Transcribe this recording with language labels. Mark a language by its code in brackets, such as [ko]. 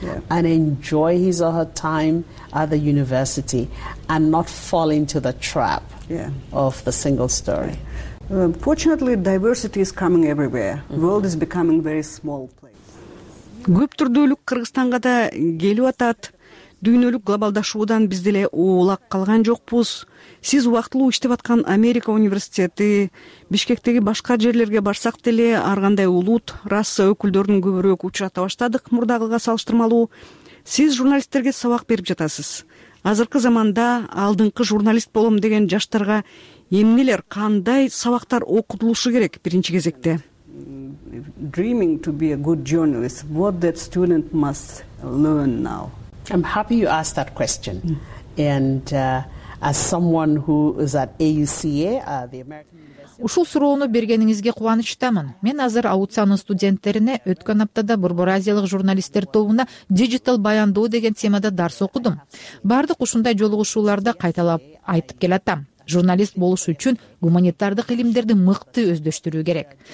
[en] And enjoy his or her time at the university and not fall into the trap of the single story. Fortunately, diversity is coming everywhere. World is becoming a very small place. [ky] Көп түрдүүлүк Кыргызстанга да келип атат. Дүйнөлүк глобалдашуудан биз деле оолак калган жокпуз. Сиз убактылуу иштеп аткан Америка университети, Бишкектеги башка жерлерге барсак деле ар кандай улут, раса өкүлдөрүн көбүрөөк учурата баштадык мурдагыга салыштырмалуу. Сиз журналисттерге сабак берип жатасыз. Азыркы заманда алдыңкы журналист болом деген жаштарга эмнелер, кандай сабактар окутулушу керек биринчи кезекте? [en] Dreaming to be a good journalist, what that student must learn now? I'm happy you asked that question. And as someone who is at AUCA, the American University... [ky] Ушул суроону бергениңизге кубанычтамын. Мен азыр Ауцанын студенттерине өткөн аптада Борбор Азиялык журналисттер тобуна дижитал баяндоо деген темада дарс окудум. Бардык ушундай жолугушууларда кайталап айтып келатам. Журналист болуш үчүн гуманитардык илимдерди мыкты өздөштүрүү керек.